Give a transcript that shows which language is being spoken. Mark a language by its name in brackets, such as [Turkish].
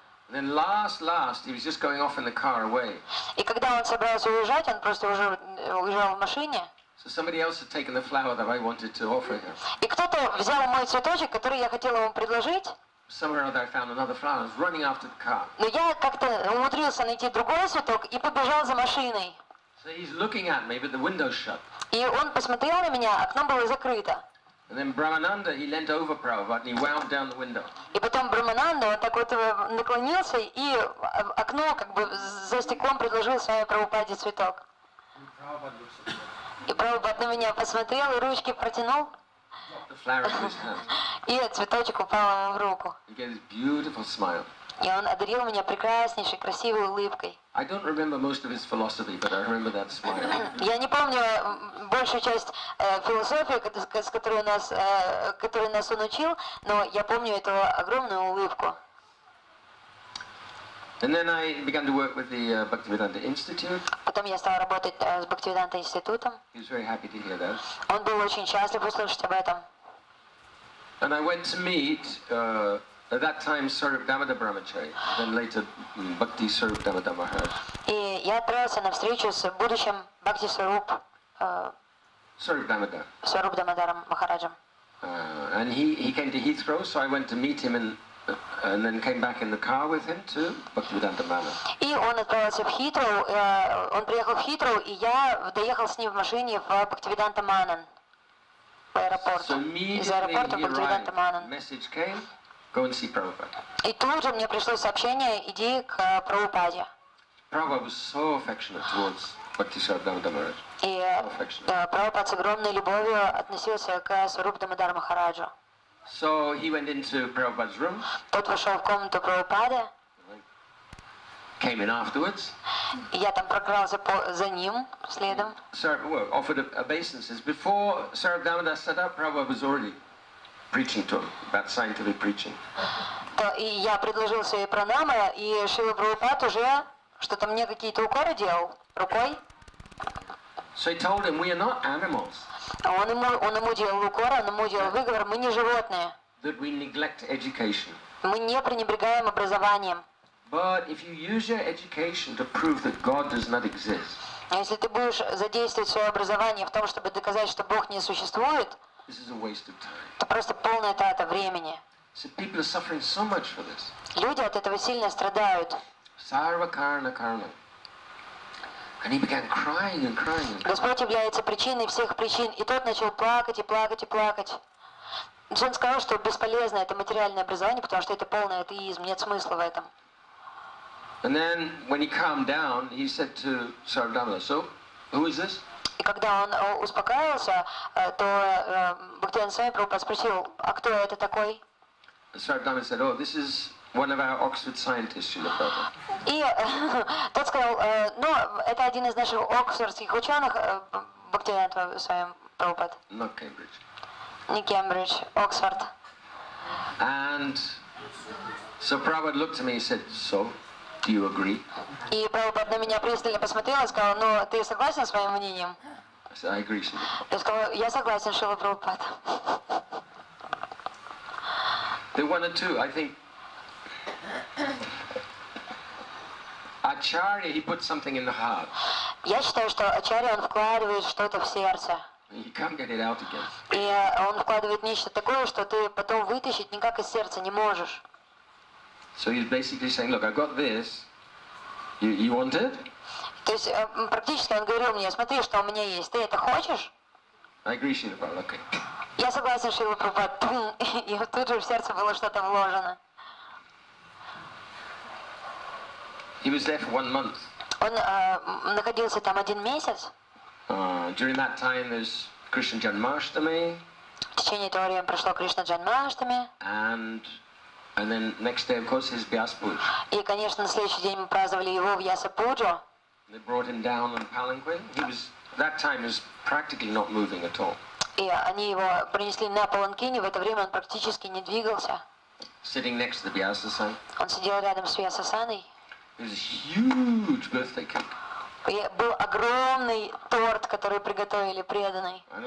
[English] Then last, he was just going off in the car away. [Russian] И когда он собирался уезжать, он просто уже уезжал в машине. [English] So somebody else had taken the flower that I wanted to offer him. [Russian] И кто-то взял мой цветочек, который я хотела ему предложить. [English] Somewhere else I found another flower. I was running after the car. [Russian] Но я как-то умудрился найти другой цветок и побежал за машиной. [English] So he's looking at me, but the window's shut. [Russian] И он посмотрел на меня, окно было закрыто. [English] And then Brahmananda, he leant over Prabhupada and he wound down the window. [Russian] И потом Брахмананда вот так вот наклонился и окно как бы за стеклом предложил своему Прабхупаде цветок. И Прабхупад на меня посмотрел и ручки протянул. [English] The flower in his hand. [Russian] И цветочек упал ему в руку. [English] He gave this beautiful smile. [Russian] И он одарил меня прекраснейшей, красивой улыбкой. [English] I don't remember most of his philosophy, but I remember that smile. [Russian] Я не помню большую часть философии, которую нас он учил, но я помню эту огромную улыбку. [English] And then I began to work with the Bhaktivedanta Institute. [Russian] Потом я стал работать с Бхактивиданта Институтом. [English] He was very happy to hear that. [Russian] Он был очень счастлив услышать об этом. [English] And I went to meet at that time, Sarvadamada Brahmachari, then later Bhakti Sarvadamada Maharaj. [Russian] И я отправился на встречу с будущим Бхакти Сваруп. Сарвадамада. Сарвадамадаром Махараджем. [English] And he came to Heathrow, so I went to meet him and then came back in the car with him to Bhaktivedanta Manor. [Russian] И он отправился в Хитроу. Он приехал в Хитроу, и я доехал с ним в машине в Бхактиведанта Манан. По аэропорту. [English] So immediately [Russian] из аэропорта Бхактиведанта Манан. [English] Message came. Go and see Prabhupada. [Russian] И тут же мне пришло сообщение: иди к Прабхупаде. [English] Prabhupada was so affectionate towards Bhakti Sarvadamada Maharaj. [Russian] И Прабхупада с огромной любовью относился к Сваруп Дамодара Махараджу. [English] So he went into Prabhupada's room. [Russian] Тот вошел в комнату Прабхупады. [English] Came in afterwards. [Russian] Я там прокрался за ним следом. [English] Offered obeisances before Sarvadamada set up. Prabhupada was already preaching to him about scientific preaching. [Russian] И я предложил свои пранамы, и Шрила Прабхупад уже что-то мне какие-то укоры делал рукой. [English] So he told him, we are not animals. [Russian] Он ему делал укоры, он ему делал выговор, мы не животные. [English] That we neglect education. [Russian] Мы не пренебрегаем образованием. [English] But if you use your education to prove that God does not exist. [Russian] Если ты будешь задействовать свое образование в том, чтобы доказать, что Бог не существует. [English] This is a waste of time. [Russian] Это просто полная трата времени. [English] So people are suffering so much for this. [Russian] Люди от этого сильно страдают. [Sanskrit] Sarva karana karana. [English] And he began crying and crying and crying. [Russian] Господь является причиной всех причин, и тот начал плакать и плакать и плакать. Он сказал, что бесполезно это материальное образование, потому что это полный атеизм, нет смысла в этом. [English] And then when he calmed down, he said to Sarvadamada, "So, who is this?" [Russian] И когда он успокаивался, то Бхактивинода Свами Прабхупада спросил, а кто это такой? [English] Sarvadamada said, oh, this is one of our Oxford scientists, Srila Prabhupada. [Russian] И тот сказал, ну, это один из наших оксфордских ученых, Бхактивинода Свами Прабхупада. [English] Not Cambridge. [Russian] Не Кембридж, Оксфорд. [English] And so Prabhupada looked at me and said, so? Do you agree? [Russian] И Прабхупад на меня пристально посмотрел и сказал, ну, ты согласен с моим мнением? [English] I said, I agree, Shri. [Russian] Я сказал, я согласен, Шрила Прабхупад. [English] There are one or two, I think. Acharya, he put something in the heart. [Russian] Я считаю, что Ачарья, он вкладывает что-то в сердце. [English] You can't get it out again. [Russian] И он вкладывает нечто такое, что ты потом вытащить никак из сердца не можешь. [English] So he's basically saying, look, I've got this. You want it? [Russian] То есть практически он говорил мне, смотри, что у меня есть. Ты это хочешь? [English] I agree, Srila Prabhupada. Okay. [Russian] Я согласен, Шрила Прабхупада. И тут же в сердце было что-то вложено. [English] He was there for 1 month. [Russian] Он находился там 1 месяц. [English] During that time, there's Krishna Janmashtami. [Russian] В течение этого времени прошло Кришна Джанмаштами. [English] And then next day, of course, his Vyasapuja. [Russian] И, конечно, на следующий день мы праздновали его в Ясапуджу. [English] They brought him down on palanquin. He was that time was practically not moving at all. [Russian] И они его принесли на паланкине. В это время он практически не двигался. [English] Sitting next to the Vyasasan. [Russian] Он сидел рядом с Вьясасаной. [English] It was a huge birthday cake. [Russian] И был огромный торт, который приготовили преданный.